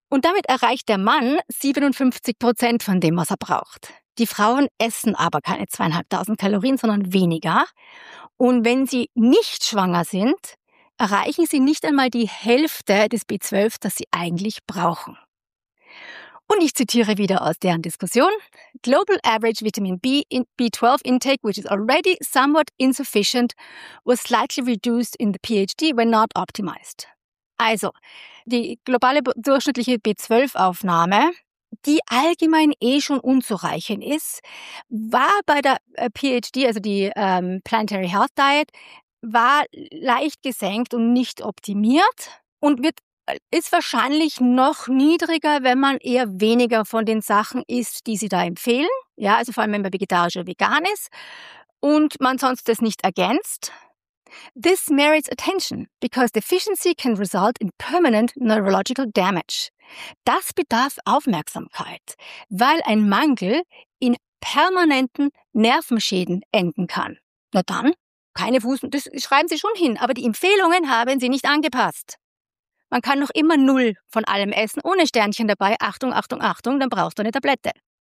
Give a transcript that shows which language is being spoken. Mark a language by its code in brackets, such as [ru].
[de] Und damit erreicht der Mann 57% von dem, was er braucht. Die Frauen essen aber keine 2500 Kalorien, sondern weniger. Und wenn sie nicht schwanger sind, erreichen sie nicht einmal die Hälfte des B12, das sie eigentlich brauchen. Und ich zitiere wieder aus deren Diskussion. [en] Global average vitamin B12 intake, which is already somewhat insufficient, was slightly reduced in the PhD when not optimized. [de] Also, die globale durchschnittliche B12-Aufnahme, die allgemein eh schon unzureichend ist, war bei der PhD, also die Planetary Health Diet, war leicht gesenkt und nicht optimiert und ist wahrscheinlich noch niedriger, wenn man eher weniger von den Sachen isst, die sie da empfehlen. Ja, also vor allem, wenn man vegetarisch oder vegan ist und man sonst das nicht ergänzt. [en] This merits attention, because deficiency can result in permanent neurological damage. [de] Das bedarf Aufmerksamkeit, weil ein Mangel in permanenten Nervenschäden enden kann. Na dann, keine Fuß, das schreiben Sie schon hin, aber die Empfehlungen haben Sie nicht angepasst. Man kann noch immer 0 von allem essen, ohne Sternchen dabei, Achtung, Achtung, Achtung, dann brauchst du eine Tablette.